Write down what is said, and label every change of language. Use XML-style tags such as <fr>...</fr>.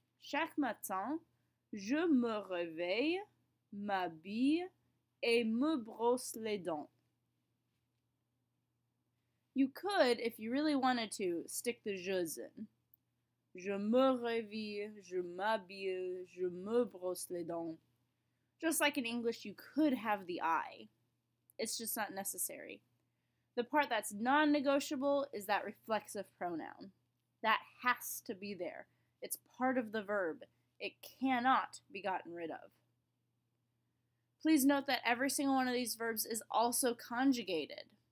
<fr>Chaque matin, je me réveille, m'habille, et me brosse les dents.</fr> <en>You could, if you really wanted to, stick the je's in.</en> <fr>Je me réveille, je m'habille, je me brosse les dents.</fr> <en>Just like in English, you could have the I. It's just not necessary. The part that's non-negotiable is that reflexive pronoun. That has to be there. It's part of the verb. It cannot be gotten rid of. Please note that every single one of these verbs is also conjugated.</en>